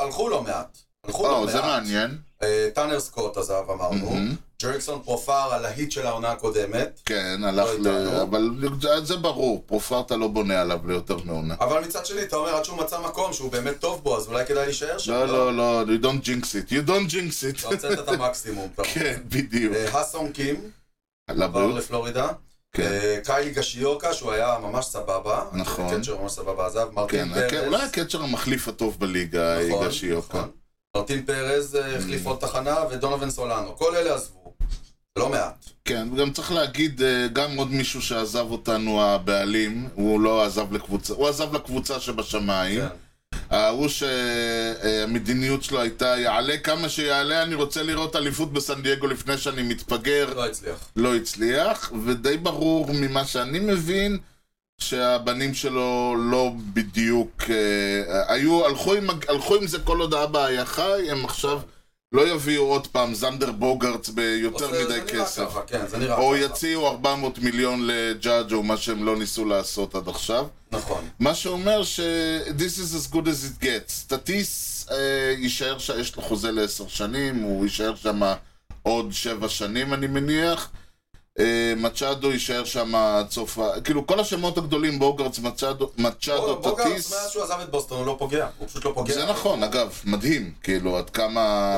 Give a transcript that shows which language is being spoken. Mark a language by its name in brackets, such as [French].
[Hebrew] הלכו לא מעט. הלכו לא מעט. זה מעניין. טאנר סקוט עזב אמרנו, ג'ריקסון פרופר על ההיט של העונה הקודמת. כן, הלך ל... אבל זה ברור, פרופר אתה לא בונה עליו ליותר מעונה. אבל מצד שני, אתה אומר, עד שהוא מצא מקום שהוא באמת טוב בו, אז אולי כדאי להישאר שם. לא, לא, לא, [English] you don't jinx it. [Hebrew] אתה רוצה את המקסימום. כן, בדיוק. הסון קים, עבר לפלורידה. קיילי גשיוקה, שהוא היה ממש סבבה. נכון. קצ'ר ממש סבבה עזב. מרטין פרס. אולי הקצ'ר המחליף הטוב בליגה, גשיוקה. מרטין פרז החליף עוד תחנה, ודונובן סולנו. כל אלה עזבו. לא מעט. כן, וגם צריך להגיד, גם עוד מישהו שעזב אותנו הבעלים, הוא לא עזב לקבוצה, הוא עזב לקבוצה שבשמיים. כן. הוא שהמדיניות שלו הייתה יעלה כמה שיעלה, אני רוצה לראות אליפות בסן דיאגו לפני שאני מתפגר. לא הצליח. לא הצליח, ודי ברור ממה שאני מבין שהבנים שלו לא בדיוק, היו, הלכו עם זה כל עוד אבא היה חי, הם עכשיו לא יביאו עוד פעם זנדר בוגרץ ביותר מדי כסף. או יציאו 400 מיליון לג'אג' או מה שהם לא ניסו לעשות עד עכשיו. נכון. מה שאומר ש- [English] This is as good as it gets. [Hebrew] תטיס יישאר שיש לו חוזה לעשר שנים, הוא יישאר שם עוד שבע שנים אני מניח. מצ'אדו יישאר שם עד סוף, כאילו כל השמות הגדולים, בוגרץ, מצ'אדו, טטיס. בוגרץ, מאז שהוא עזב את בוסטון הוא לא פוגע, הוא פשוט לא פוגע. זה נכון, אגב, מדהים, כאילו עד כמה...